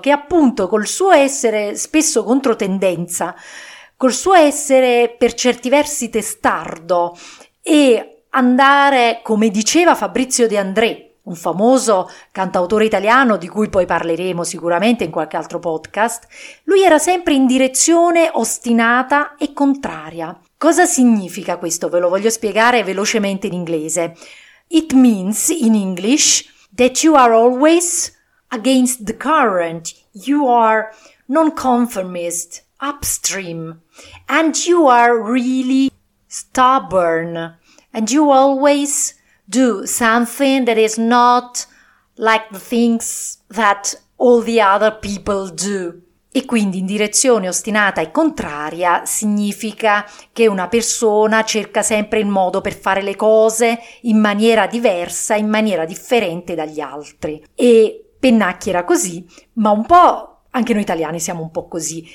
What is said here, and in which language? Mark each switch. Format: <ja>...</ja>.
<it>Che appunto col suo essere spesso controtendenza, col suo essere per certi versi testardo e andare, come diceva Fabrizio De André, un famoso cantautore italiano di cui poi parleremo sicuramente in qualche altro podcast, lui era sempre in direzione ostinata e contraria. Cosa significa questo? Ve lo voglio spiegare velocemente in inglese.</it> <en>It means in English that you are always against the current, you are non-conformist, upstream, and you are really stubborn, and you always do something that is not like the things that all the other people do.</en> <it>E quindi in direzione ostinata e contraria significa che una persona cerca sempre il modo per fare le cose in maniera diversa, in maniera differente dagli altri. E Pennacchi era così, ma un po' anche noi italiani siamo un po' così.</it>